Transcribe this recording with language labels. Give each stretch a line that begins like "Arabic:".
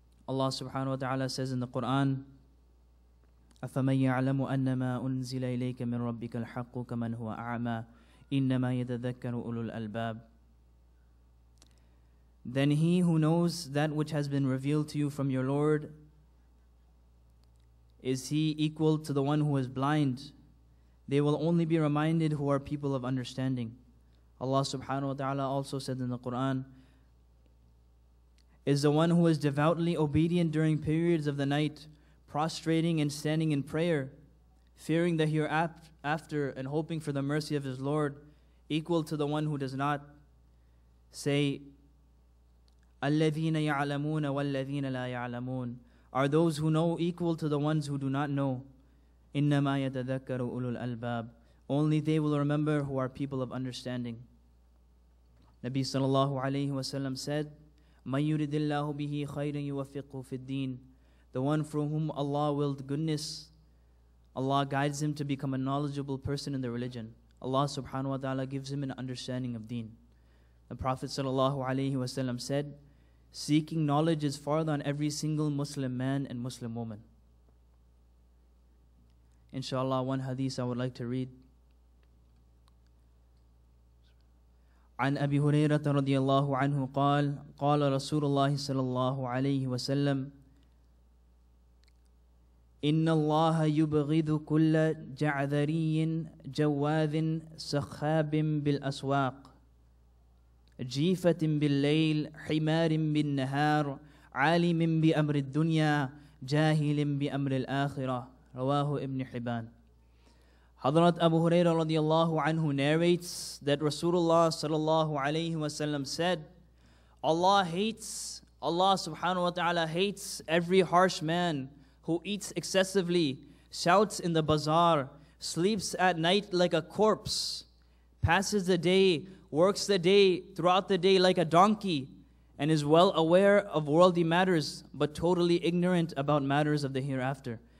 English: Allah subhanahu wa ta'ala says in the Quran,
Arabic: أَفَمَنْ يَعْلَمُ أَنَّمَا أُنزِلَ إِلَيْكَ مِنْ رَبِّكَ الْحَقُّ كَمَنْ هُوَ أَعْمَى إِنَّمَا يَتَذَكَّرُ أُولُو الْأَلْبَابِ.
English: Then he who knows that which has been revealed to you from your Lord, is he equal to the one who is blind? They will only be reminded who are people of understanding. Allah subhanahu wa ta'ala also said in the Quran, is the one who is devoutly obedient during periods of the night, prostrating and standing in prayer, fearing the hereafter and hoping for the mercy of his Lord, equal to the one who does not? Say,
Arabic: الَّذِينَ يَعْلَمُونَ وَالَّذِينَ لَا يَعْلَمُونَ
English: are those who know equal to the ones who do not know.
Arabic: إِنَّمَا يَتَذَكَّرُ أُولُو الْأَلْبَابِ.
English: Only they will remember who are people of understanding.
Arabic: Nabi sallallahu alayhi wa sallam
English: said,
Arabic: مَنْ يُرِدِ اللَّهُ بِهِ خَيْرًا يُوَفِّقُهُ فِي الدِّينِ.
English: The one for whom Allah willed goodness, Allah guides him to become a knowledgeable person in the religion. Allah subhanahu wa ta'ala gives him an understanding of deen. The Prophet sallallahu alayhi wa sallam said, seeking knowledge is farther on every single Muslim man and Muslim woman. Inshallah, one hadith I would like to read.
Arabic: عن أبي هريرة رضي الله عنه قال قال رسول الله صلى الله عليه وسلم إن الله يبغض كل جعذري جواذ سخاب بالأسواق جيفة بالليل حمار بالنهار عالم بأمر الدنيا جاهل بأمر الآخرة رواه ابن حبان. حضرت أبو هريرة رضي الله عنه
English: narrates that Rasulullah sallallahu alayhi wa sallam said, Allah subhanahu wa ta'ala hates every harsh man who eats excessively, shouts in the bazaar, sleeps at night like a corpse, passes the day, works the day throughout the day like a donkey, and is well aware of worldly matters, but totally ignorant about matters of the hereafter.